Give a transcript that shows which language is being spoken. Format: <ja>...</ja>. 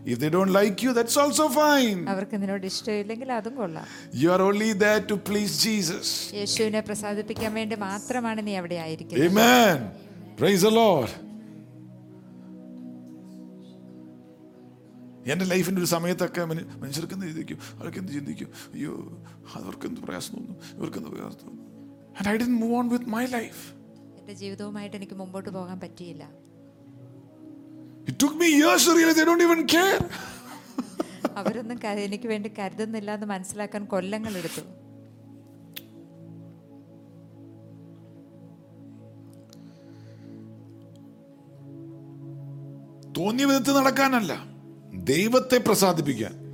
<en>If they don't like you, that's also fine.</en> <ml>അവർക്ക് നിന്നോട് ഇഷ്ടമില്ലെങ്കിൽ അതും കൊള്ളാം.</ml> <en>You are only there to please Jesus.</en> <ml>യേശുവിനെ പ്രസാദിപ്പിക്കാൻ വേണ്ടി മാത്രമാണ് നീ അവിടെ ആയിരിക്കുന്നത്.</ml> <en>Amen. Praise the Lord.</en> <ml>എന്റെ ലൈഫിന്റെ ഒരു സമയത്തൊക്കെ മനുഷ്യർക്ക് എന്ത് ചിന്തിക്കും, അവർക്ക് എന്ത് ചിന്തിക്കും, അയ്യോ അവർക്ക് എന്ത് പ്രയാസം തോന്നും, ഇവർക്ക് എന്ത് പ്രയാസം തോന്നും.</ml> <en>And I didn't move on with my life.</en> <ml>എന്റെ ജീവിതവുമായിട്ട് എനിക്ക് മുമ്പോട്ട് പോകാൻ പറ്റിയില്ല.</ml> <en>It took me years to realize they don't even care.</en> <ml>അവരൊന്നും എനിക്ക് വേണ്ടി കരുതുന്നില്ല എന്ന് മനസ്സിലാക്കാൻ കൊല്ലങ്ങൾ എടുത്തു. തോന്നിയ വിധത്തിൽ നടക്കാനല്ല, ദൈവത്തെ പ്രസാദിപ്പിക്കാൻ.</ml>